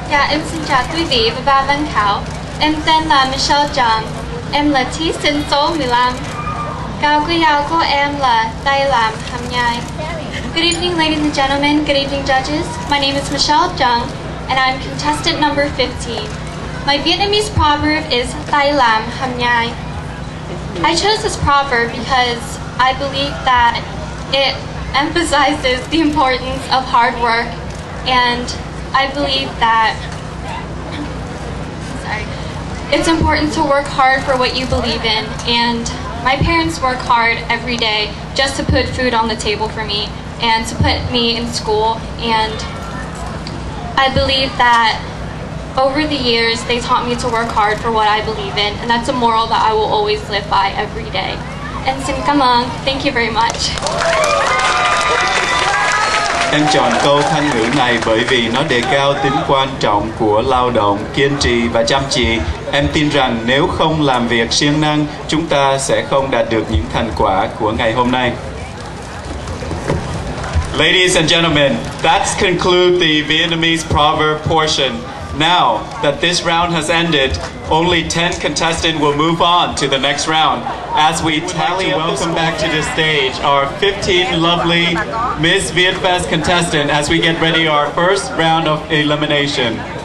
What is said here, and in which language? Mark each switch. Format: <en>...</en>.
<vi>Em xin chào quý vị và ban giám khảo. Em tên là Michelle Trần. Em là thí sinh số 15. Cao quý áo của em là tay làm hàm nhai.</vi> <en>Good evening, ladies and gentlemen. Good evening, judges. My name is Michelle Trần, and I'm contestant number 15. My Vietnamese proverb is</en> <vi>tay làm hàm nhai.</vi> <en>I chose this proverb because I believe that it emphasizes the importance of hard work, and I believe that it's important to work hard for what you believe in, and my parents work hard every day just to put food on the table for me and to put me in school, and I believe that over the years they taught me to work hard for what I believe in, and that's a moral that I will always live by every day. And</en> <vi>xin cảm ơn,</vi> <en>thank you very much.</en> <vi>Em chọn câu thanh ngữ này bởi vì nó đề cao tính quan trọng của lao động, kiên trì và chăm chỉ. Em tin rằng nếu không làm việc siêng năng, chúng ta sẽ không đạt được những thành quả của ngày hôm nay.</vi> <en>Ladies and gentlemen, that's conclude the Vietnamese proverb portion. Now that this round has ended, only 10 contestants will move on to the next round. As we tally up, welcome back to the stage our 15 lovely Miss VietFest contestants as we get ready our first round of elimination.</en>